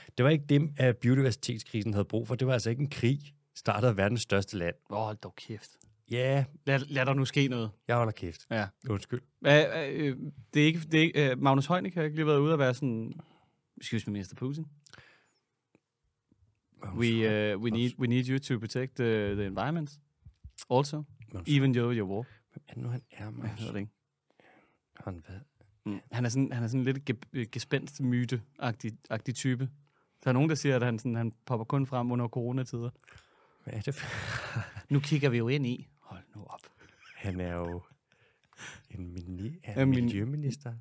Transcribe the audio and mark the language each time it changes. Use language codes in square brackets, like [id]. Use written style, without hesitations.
[da] Det var ikke dem, at biodiversitetskrisen havde brug for. Det var altså ikke en krig, startet af verdens største land. Åh, hold dog kæft. Ja. Lad der nu ske noget. Jeg holder kæft. Ja. Undskyld. Magnus Heunicke har ikke lige været ude at være sådan, [en] excuse me, Mr. Putin. We need you to protect the environment also, Magnus, even though you're war. [da] Hvem er nu, han er, Magnus? Jeg hører det ikke. Han hvad? Mm. Han er sådan lidt gespændt myte-agtig type. Der er nogen, der siger, at han popper kun frem under coronatider. Hvad er det? Nu kigger vi jo ind i. Hold nu op. Han er jo en miljøminister.